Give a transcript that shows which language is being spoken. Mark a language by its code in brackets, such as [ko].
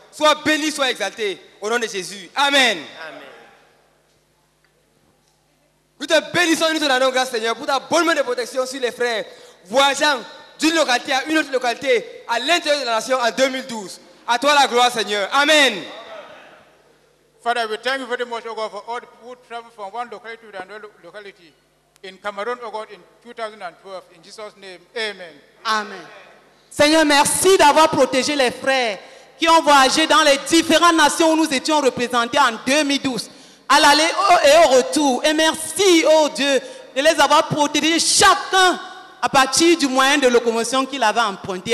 [fr] Sois béni, sois exalté au nom de Jésus. Amen. Amen. Nous te bénissons et nous te rendons grâce, Seigneur, pour ta bonne main de protection sur les frères voisins d'une localité à une autre localité à l'intérieur de la nation en 2012. À toi la gloire, Seigneur. Amen. [en] Father, we thank you very much, O God, for all the people who travel from one locality to another locality in Cameroon, O God, in 2012. In Jesus' name, amen. Amen. [fr] Seigneur, merci d'avoir protégé les frères qui ont voyagé dans les différentes nations où nous étions représentés en 2012, à l'aller et au retour. Et merci, ô Dieu, de les avoir protégés chacun à partir du moyen de locomotion qu'il avait emprunté.